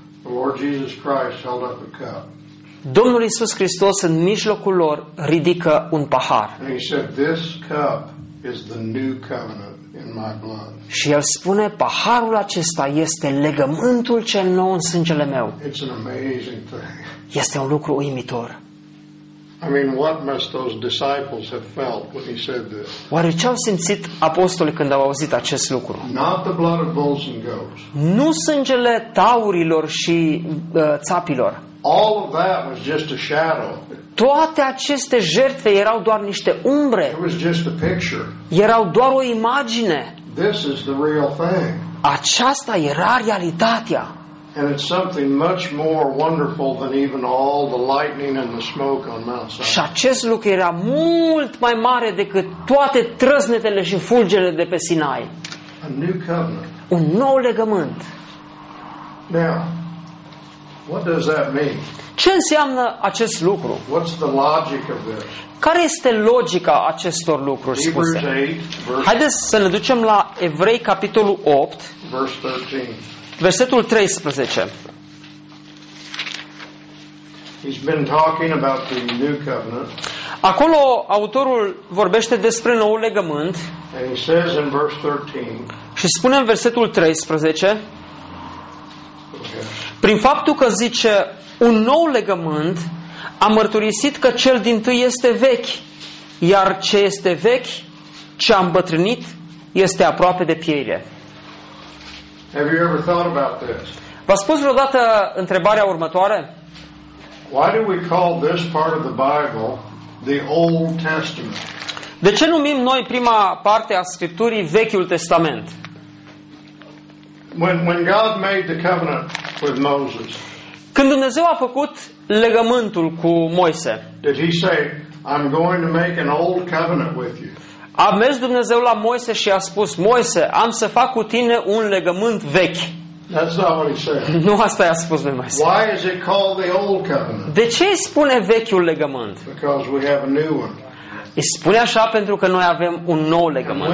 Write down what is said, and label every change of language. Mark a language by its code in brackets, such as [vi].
[en] the Lord Jesus Christ held up a cup. [ro] Domnul Iisus Hristos în mijlocul lor ridică un pahar. [en] And he said, "This cup is the new covenant in my blood." [ro] Și el spune, paharul acesta este legământul cel nou în sângele meu. [en] It's an amazing thing. [ro] Este un lucru uimitor. [en] I mean, what must those disciples have felt when he said this? [ro] Oare ce au simțit apostolii când au auzit acest lucru? [en] Not the blood of bulls and goats. [ro] Nu sângele taurilor și țapilor. [en] All of that was just a shadow. [ro] Toate aceste jertfe erau doar niște umbre. [en] It was just a picture. [ro] Erau doar o imagine. [en] This is the real thing. [ro] Aceasta era realitatea. [en] And it's something much more wonderful than even all the lightning and the smoke on Mount Sinai. [ro] Și acest lucru era mult mai mare decât toate trăsnetele și fulgerele de pe Sinai. [en] A new covenant. [ro] Un nou legământ. [en] Now, what does that mean? [ro] Ce înseamnă acest lucru? [en] What's the logic of this? [ro] Care este logica acestor lucruri spuse? Haideți să ne ducem la Evrei capitolul 8, [en] verse 13. [ro] Versetul 13. [en] He's been talking about the new covenant. [ro] Acolo autorul vorbește despre noul legământ. [en] And he says in verse 13. [ro] Și spune în versetul 13. [en] Okay. [ro] Prin faptul că zice un nou legământ, a mărturisit că cel dintâi este vechi, iar ce este vechi, ce a îmbătrânit, este aproape de piele. [en] Have you ever thought about this? [ro] V-ați pus vreodată întrebarea următoare? [en] Why do we call this part of the Bible the Old Testament? [ro] De ce numim noi prima parte a Scripturii Vechiul Testament? [en] When God made the covenant with Moses. [ro] Când Dumnezeu a făcut legământul cu Moise. [en] Did he say, I'm going to make an old covenant with you? [ro] A mers Dumnezeu la Moise și a spus, Moise, am să fac cu tine un legământ vechi. [en] That's not what he said. [ro] Nu asta i-a spus lui Moise. [en] Why is it called the old covenant? [ro] De ce îi spune vechiul legământ? [en] Because we have a new one. [ro] Îi spune așa pentru că noi avem un nou legământ.